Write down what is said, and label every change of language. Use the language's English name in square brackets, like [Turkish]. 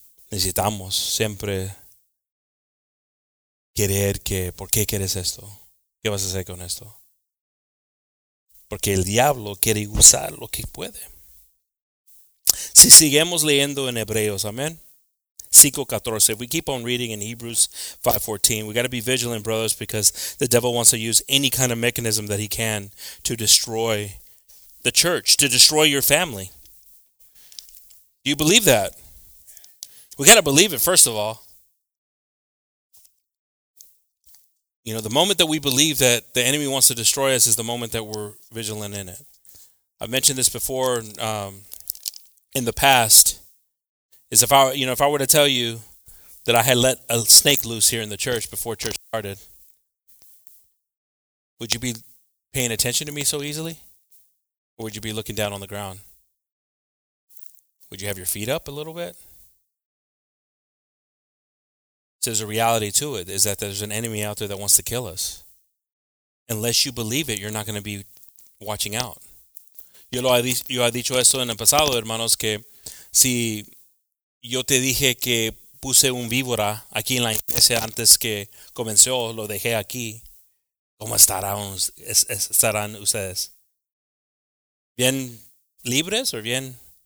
[Spanish] Necesitamos siempre querer que, ¿por qué quieres esto? ¿Qué vas a hacer con esto? Porque el diablo quiere usar lo que puede. Si seguimos leyendo en Hebreos, amén. [English] 5:14. If we keep on reading in Hebrews 5:14, we got to be vigilant, brothers, because the devil wants to use any kind of mechanism that he can to destroy the church, to destroy your family. Do you believe that? We got to believe it, first of all. You know, the moment that we believe that the enemy wants to destroy us is the moment that we're vigilant in it. I've mentioned this before in the past. Is if I, you know, if I were to tell you that I had let a snake loose here in the church before church started, would you be paying attention to me so easily? Or would you be looking down on the ground? Would you have your feet up a little bit? So there's a reality to it, is that there's an enemy out there that wants to kill us. Unless you believe it, you're not going to be watching out. [Spanish] Yo he dicho eso en el pasado, hermanos, que si... Yo te dije que puse un víbora aquí en la iglesia antes que comenzó, lo dejé aquí. ¿Cómo estarán ustedes? ¿Bien libres o bien?